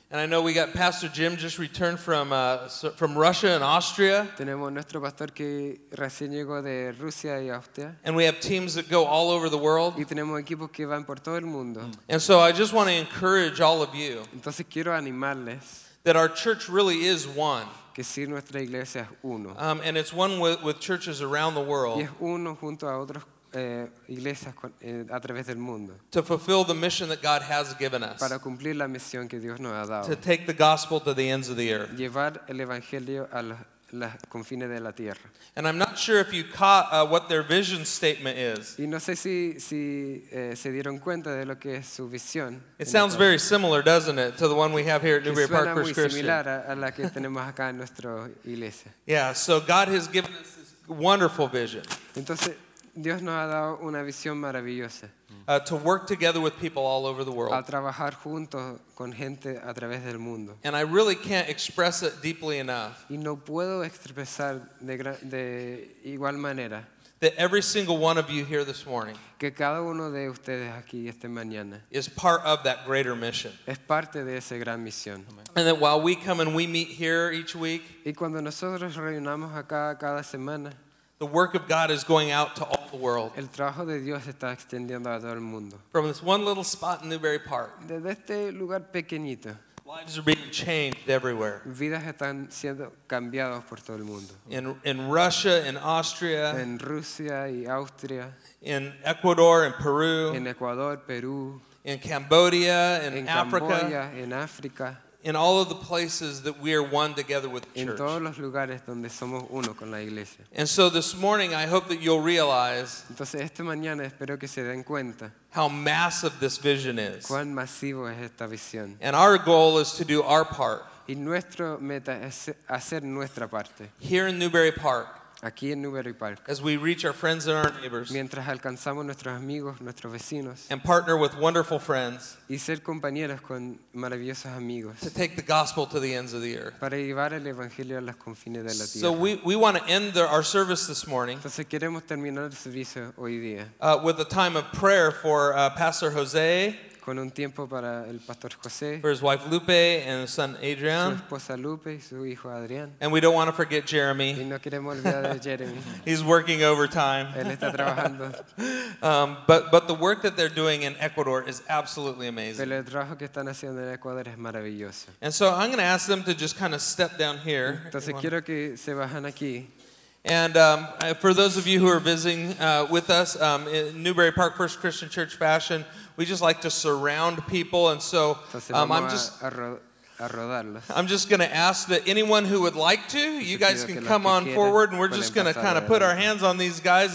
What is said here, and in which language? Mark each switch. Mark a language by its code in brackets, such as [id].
[en] And I know we got Pastor Jim just returned from Russia and Austria. [es] Tenemos nuestro pastor que recién llegó de Rusia y Austria. [en] And we have teams that go all over the world. [es] Y tenemos equipos que van por todo el mundo. [en] And so I just want to encourage all of you. [es] Entonces quiero animarles. [en] That our church really is one. [es] Que sí, nuestra iglesia es uno. [en] And it's one with churches around the world. [es] Y es uno junto a otros, iglesias con, a través del mundo. [en] To fulfill the mission that God has given us. [es] Para cumplir la misión que Dios nos ha dado. [en] To take the gospel to the ends of the earth. [es] Llevar el evangelio a las confines de la tierra. [en] And I'm not sure if you caught what their vision statement is. [es] Y no sé si se dieron cuenta de lo que es su visión. [en] It sounds very similar, doesn't it, to the one we have here at [es] que [en] Newbury Park First Christian. [es] Suena muy similar a la que tenemos acá en nuestra iglesia. [en] Yeah, so God has given us this wonderful vision. [es] Entonces Dios nos ha dado una visión maravillosa. [en] To work together with people all over the world. [es] A trabajar juntos con gente a través del mundo. [en] And I really can't express it deeply enough. [es] Y no puedo expresar de igual manera. [en] That every single one of you here this morning. [es] Que cada uno de ustedes aquí esta mañana. [en] Is part of that greater mission. [es] Es parte de esa gran misión. [en] And that while we come and we meet here each week. [es] Y cuando nosotros reunamos acá cada semana. [en] The work of God is going out to all the world. [es] El trabajo de Dios está extendiendo a todo el mundo. [en] From this one little spot in Newbury Park. [es] Desde este lugar pequeñito. [en] Lives are being changed everywhere. [es] Vidas están siendo cambiadas por todo el mundo. [en] In Russia, in Austria. [es] En Rusia y Austria. [en] In Ecuador and Peru. [es] En Ecuador, Perú. [en] In Cambodia and Africa. [es] Cambodia, en África. [en] In all of the places that we are one together with the [es] en [en] church. [es] Todos los lugares donde somos uno con la iglesia. [en] And so this morning I hope that you'll realize. [es] Entonces esta mañana espero que se den cuenta. [en] How massive this vision is. [es] Cuán masivo es esta visión. [en] And our goal is to do our part. [es] Y nuestro meta es hacer nuestra parte. [en] Here in Newbury Park. [es] Aquí en Newbury Park. [en] As we reach our friends and our neighbors. [es] Mientras alcanzamos nuestros amigos, nuestros vecinos. [en] And partner with wonderful friends. [es] Y ser compañeros con maravillosos amigos. [en] To take the gospel to the ends of the earth. [es] Para llevar el evangelio a los confines de la tierra. [en] So we want to end our service this morning. [es] Entonces queremos terminar el servicio hoy día. [en] With a time of prayer for Pastor Jose. [es] Con un tiempo para el pastor José. [en] For his wife Lupe and his son Adrian. [es] Su esposa Lupe y su hijo Adrian. [en] And we don't want to forget Jeremy. [es] Y no queremos olvidar a Jeremy. [en] He's working overtime. [es] Él está trabajando. [en] But the work that they're doing in Ecuador is absolutely amazing. [es] Pero el trabajo que están haciendo en Ecuador es maravilloso. [en] And so I'm going to ask them to just kind of step down here. [es] Entonces quiero que se bajen aquí. [en] And for those of you who are visiting with us, in Newbury Park First Christian Church fashion, we just like to surround people. And so I'm just going to ask that anyone who would like to, you guys can come on forward, and we're just going to kind of put our hands on these guys.